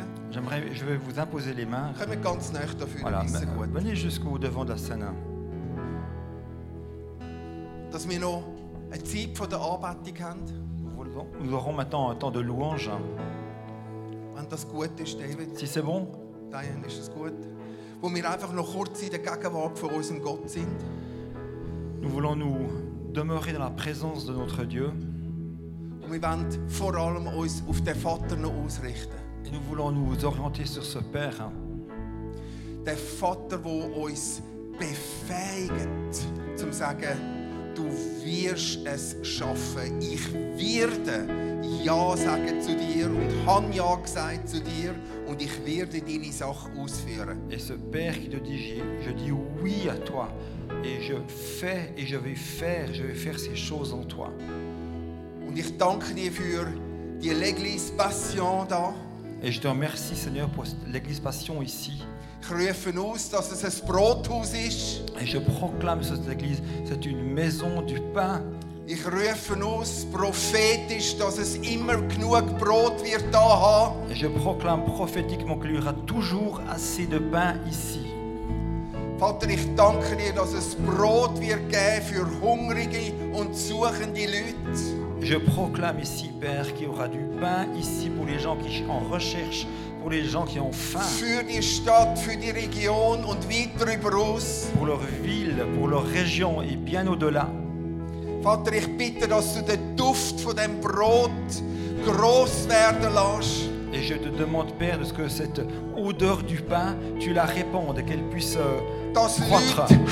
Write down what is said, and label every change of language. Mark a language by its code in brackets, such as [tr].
[fr] Je vais vous imposer les mains. Voilà, venez jusqu'au devant de la scène. [de] Dass wir noch eine Zeit von der Anbetung haben. [fr] Nous aurons maintenant un temps de louange. [de] Wenn das gut ist, David. [fr] Si c'est bon. [de] Dann ist es gut. Wo wir einfach noch kurz in der Gegenwart von unserem Gott sind. [fr] Nous voulons nous demeurer dans la présence de notre Dieu. [de] Und wir wollen vor allem uns auf den Vater noch ausrichten. [fr] Et nous voulons nous orienter sur ce Père. [de] Der Vater, der uns befähigt, zu sagen, du wirst es schaffen. Ich werde Ja sagen zu dir und habe Ja gesagt zu dir und ich werde deine Sache ausführen. [fr] Et ce Père qui te dit, je dis oui à toi et je fais et je vais faire ces choses en toi. [de] Und ich danke dir für die l'église passion da. [fr] Et je te remercie Seigneur pour l'église passion ici. [de] Ich rufe aus, dass es ein Brothaus ist. [fr] Et je proclame cette église, c'est une maison du pain. [de] Ich rufe aus, prophétisch, dass es immer genug Brot wird da haben. [fr] Et je proclame prophétiquement qu'il y aura toujours assez de pain ici. [de] Vater, ich danke dir, dass es Brot wird geben für hungrige und suchende Leute. [fr] Et je proclame ici, Père, qu'il y aura du pain ici pour les gens qui en recherchent. Pour les gens qui ont faim. [de] Für die Stadt, für die Region und weit drüber aus. [fr] Pour leur ville, pour leur région et bien au-delà. [de] Vater, ich bitte, dass du den Duft von dem Brot gross werden lässt. [fr] Et je te demande, Père, de ce que cette odeur du pain, tu la répandes, qu'elle puisse croître.